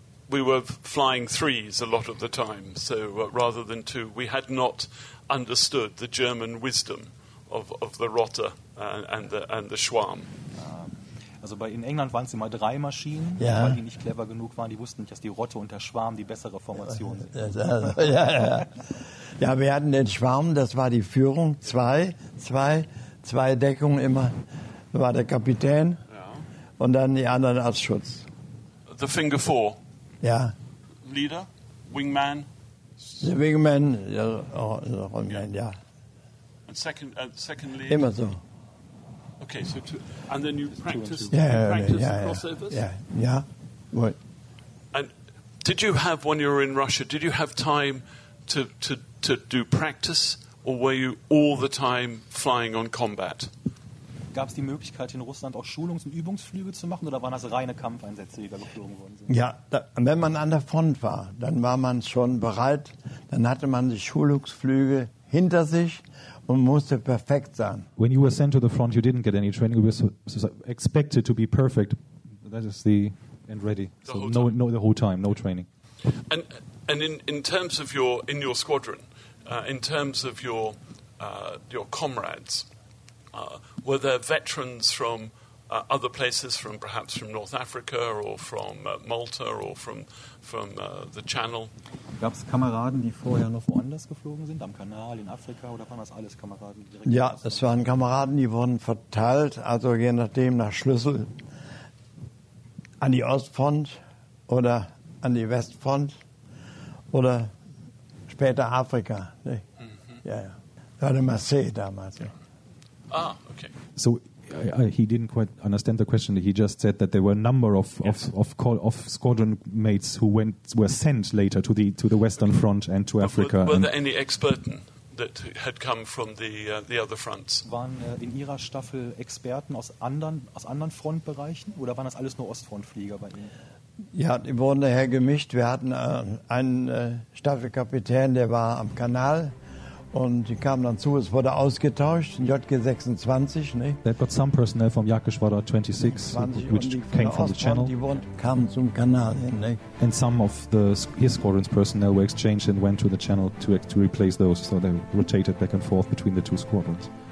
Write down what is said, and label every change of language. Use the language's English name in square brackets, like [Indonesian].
[English] We were flying threes a lot of the time, so rather than two. We had not understood the German wisdom of the Rotter and the Schwarm. [German] Also in England waren es immer drei Maschinen, yeah. Weil die nicht clever genug waren. Die wussten nicht, dass die Rotte und der Schwarm die bessere Formation sind. Ja, wir hatten den Schwarm, das war die Führung. Zwei Deckungen immer. Da war der Kapitän und dann die anderen als Schutz. [English] The Finger Four. [German] Ja. [English] Leader, Wingman. The Wingman, ja. And second Leader. [German] Immer so. [English] Okay, so you practiced crossovers? And did you have, when you were in Russia, did you have time to do practice, or were you all the time flying on combat? [German] Gab's die Möglichkeit in Russland auch Schulungs- und Übungsflüge zu machen, oder waren das reine Kampfeinsätze, die da geflogen worden sind? Ja, wenn man an der Front war, dann war man schon bereit, dann hatte man die Schulungsflüge hinter sich. [English] When you were sent to the front, you didn't get any training. You were so expected to be perfect. That is the end ready. So the whole time, no training. And in terms of your squadron, in terms of your comrades, were there veterans from other places, from perhaps from North Africa or from Malta or from the Channel? [German] Gab es Kameraden, die vorher noch woanders geflogen sind, am Kanal, in Afrika, oder waren das alles Kameraden? Ja, es waren Kameraden, die wurden verteilt, also je nachdem nach Schlüssel, an die Ostfront oder an die Westfront oder später Afrika. Ne? Mm-hmm. Ja. Das war der Marseille damals. Ja. [English] Ah, okay. So, he didn't quite understand the question. He just said that there were a number of squadron mates who were sent later to the Western Front and to Africa. Were there any Experten that had come from the other fronts? [German] Waren in Ihrer Staffel Experten aus anderen Frontbereichen, oder waren das alles nur Ostfrontflieger bei Ihnen? Ja, die wurden daher gemischt. Wir hatten einen Staffelkapitän, der war am Kanal. Und die kamen dann zu, es wurde ausgetauscht, ein JG-26. Ne? [English] They got some personnel from Jagdgeschwader 26, which came from the Channel. [German] Die kamen zum Kanal hin. Ne? [English] And some of his squadron's personnel were exchanged and went to the Channel to replace those, so they rotated back and forth between the two squadrons.